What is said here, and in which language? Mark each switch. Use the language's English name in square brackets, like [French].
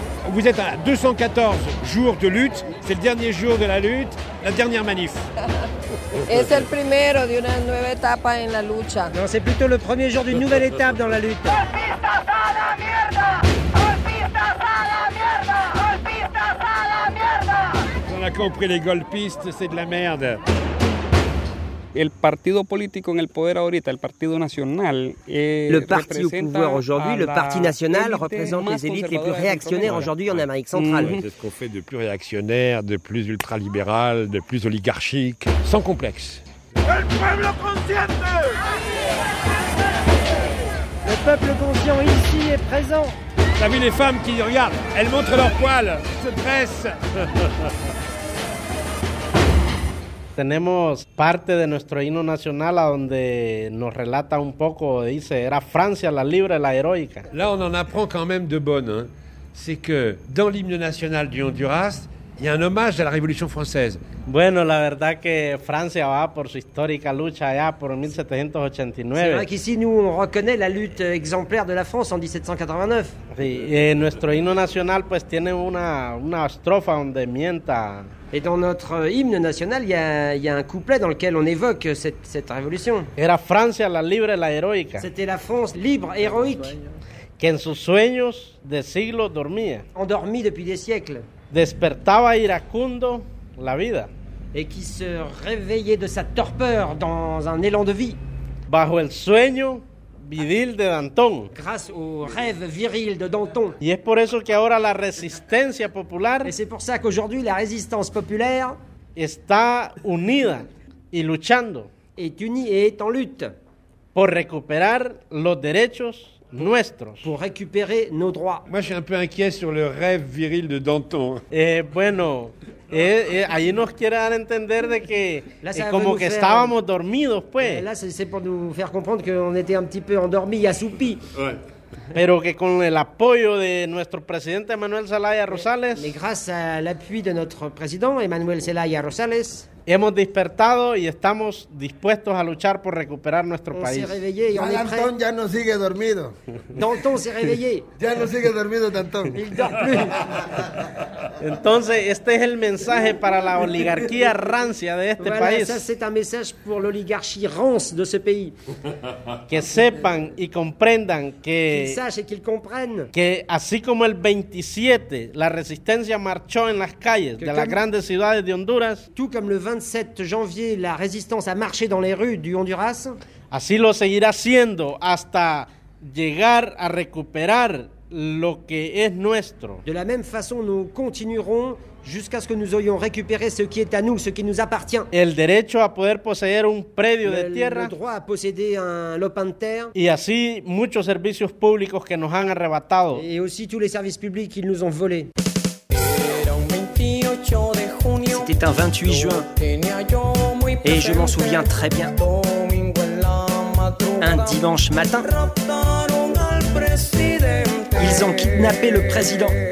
[French] Vous êtes à 214 jours de lutte, c'est le dernier jour de la lutte, la dernière manif. [Spanish] Es el primero de una nueva etapa en la lucha. [French] Non, c'est plutôt le premier jour d'une nouvelle étape dans la lutte. On a compris, les golpistes, c'est de la merde. [Spanish] El partido político en el poder ahorita, el partido nacional, [French] le parti au pouvoir aujourd'hui, le Parti National, représente les élites les plus réactionnaires aujourd'hui en Amérique centrale. C'est ce qu'on fait de plus réactionnaire, de plus ultralibéral, de plus oligarchique, sans complexe. [Spanish] El pueblo consciente! [French] Le peuple conscient ici est présent. T'as vu les femmes qui regardent? Elles montrent leurs poils, se dressent. [Spanish] Tenemos parte de nuestro himno nacional a donde nos relata un poco, dice, era Francia la libre, la heroica. [French] Là, on en apprend quand même de bonne. Hein. C'est que dans l'hymne national du Honduras, il y a un hommage à la Révolution française. [Spanish] Bueno, la verdad que Francia va por su histórica lucha allá por 1789. [French] C'est vrai qu'ici, nous, on reconnaît la lutte exemplaire de la France en 1789. [Spanish] Sí, y nuestro himno nacional, pues, tiene una estrofa donde mienta. [French] Et dans notre hymne national, il y a un couplet dans lequel on évoque cette révolution. [Spanish] Era Francia la libre la heroica. [French] C'était la France libre et héroïque. [Spanish] Que en sus sueños de siglo dormía. [French] Endormie depuis des siècles. [Spanish] Despertaba iracundo la vida. [French] Et qui se réveillait de sa torpeur dans un élan de vie. [Spanish] Bajo el sueño viril de Danton. [French] Grâce au rêve viril de Danton. [Spanish] Y es por eso que ahora la resistencia popular. [French] Et c'est pour ça qu'aujourd'hui la résistance populaire [Spanish] está unida y luchando. [French] Est unie et est en lutte. [Spanish] Por recuperar los derechos nuestros. [French] Pour récupérer nos droits. Moi, je suis un peu inquiet sur le rêve viril de Danton. [Spanish] Et bueno, ahí nos quiere dar entender de que là, como que estábamos dormidos, pues. [French] Là, c'est pour nous faire comprendre qu'on était un petit peu endormis, assoupis. Ouais. [Spanish] Pero que con el apoyo de nuestro presidente Manuel Zelaya Rosales. [French] Mais grâce à l'appui de notre président Emmanuel Zelaya Rosales. [Spanish] Hemos despertado y estamos dispuestos a luchar por recuperar nuestro [French] on [Spanish] país. Danton ya no sigue dormido. [French] Danton se réveillé. [Spanish] Ya no sigue dormido Danton. [French] Il dort plus. [Spanish] Entonces, este es el mensaje para la oligarquía rancia de este [French] voilà, [Spanish] país. [French] Voilà, ça c'est un message pour l'oligarchie rance de ce pays. [Spanish] Que sepan y comprendan que [French] qu'ils sachent et qu'ils comprennent [Spanish] que así como el 27 la resistencia marchó en las calles de las grandes ciudades de Honduras, [French] tout comme le 20 27 janvier, la résistance a marché dans les rues du Honduras. [Spanish] Así lo seguirá haciendo hasta llegar a recuperar lo que es nuestro. [French] De la même façon, nous continuerons jusqu'à ce que nous ayons récupéré ce qui est à nous, ce qui nous appartient. [Spanish] El derecho a poder poseer un predio de tierra. [French] Le droit à posséder un lopin de terre. [Spanish] Y así muchos servicios públicos que nos han arrebatado. [French] Et aussi tous les services publics qu'ils nous ont volés. C'était un 28 juin. Et je m'en souviens très bien. Un dimanche matin, ils ont kidnappé le président.